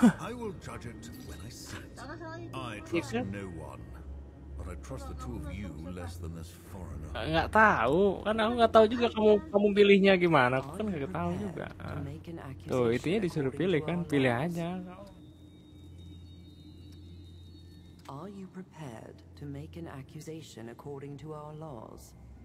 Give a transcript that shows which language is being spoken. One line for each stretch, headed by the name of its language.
English: I will judge it when I see it. I trust no one, but I trust the two of you less than this foreigner.
Indonesian: Gak tahu, kan aku gak tahu juga kamu pilihnya gimana. Aku kan gak tahu juga. Tuh, itunya disuruh pilih kan, pilih aja.
English: Are you prepared to make an accusation according to our laws?